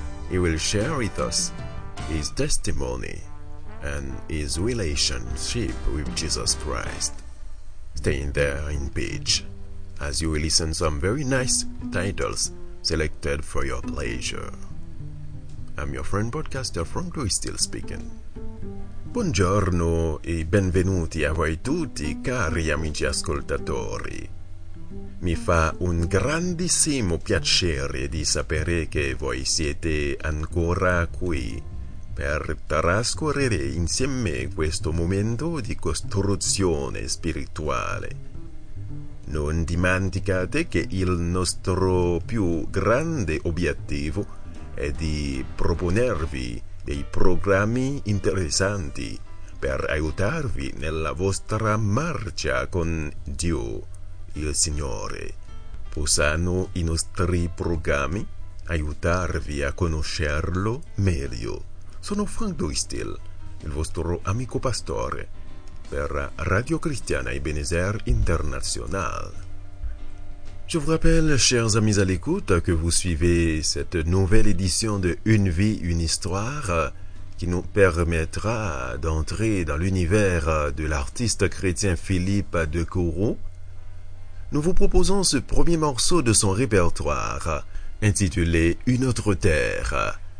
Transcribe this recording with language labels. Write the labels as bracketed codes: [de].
[en] He will share with us his testimony and his relationship with Jesus Christ. Stay in there in peace as you will listen some very nice titles selected for your pleasure. I'm your friend broadcaster Frank Louis still speaking. [it] Buongiorno e benvenuti a voi tutti, cari amici ascoltatori. Mi fa un grandissimo piacere di sapere che voi siete ancora qui per trascorrere insieme questo momento di costruzione spirituale. Non dimenticate che il nostro più grande obiettivo è di proponervi dei programmi interessanti per aiutarvi nella vostra marcia con Dio, il Signore. Possano i nostri programmi aiutarvi a conoscerlo meglio. Sono Frank Duistil, il vostro amico pastore per Radio Cristiana Ebenezer International. [fr] Je vous rappelle, chers amis à l'écoute, que vous suivez cette nouvelle édition de Une vie, une histoire qui nous permettra d'entrer dans l'univers de l'artiste chrétien Philippe Decouroux. Nous vous proposons ce premier morceau de son répertoire intitulé « Une autre terre ».